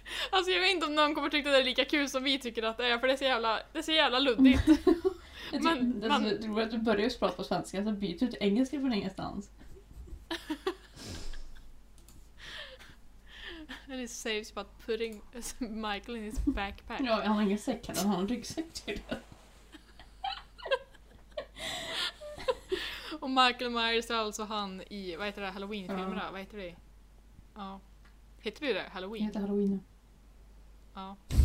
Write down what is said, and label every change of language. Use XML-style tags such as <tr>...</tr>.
<sv>Alltså jag vet inte om någon kommer tycka att det är lika kul som vi tycker att det är, för det är så jävla luddigt. Men det är så att du börjar ju prata på svenska, så byter du till engelska från ingenstans.</sv> <en>And it saves about putting Michael in his backpack.</en> <sv>Ja, han har ingen säck här, han har en ryggsäck till det. Och Michael Myers är alltså han i, vad heter det, Halloween-filmer, vad heter det? Ja. Heter vi det? Halloween? Heter Halloween. Ja.</sv>